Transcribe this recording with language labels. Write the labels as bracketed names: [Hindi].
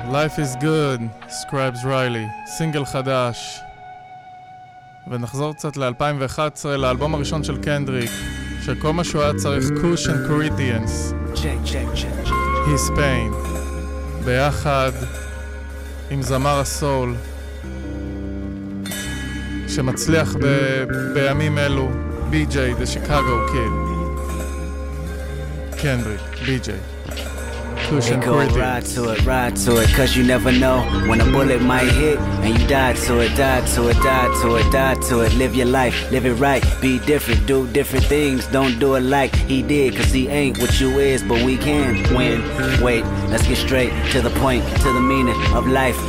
[English] Life is good, Scribes Riley. [Hebrew] סינגל חדש. ונחזור קצת ל-2011, לאלבום הראשון של קנדריק, שכל מה שהוא היה צריך, קוש אנד קוריטיאנס. [English] He's Pain. [Hebrew] ביחד עם זמר הסול, שמצליח בימים אלו, BJ, the Chicago Kid. קנדריק, BJ. [English] Hey, go ride to it, ride to it. Cause you never know when a bullet might hit. And you die to it, die to it, die to it, die to it. Live your life, live it right. Be different, do different things. Don't do it like he did. Cause he ain't what you is, but we can win. Wait, let's get straight to the point, to the meaning of life.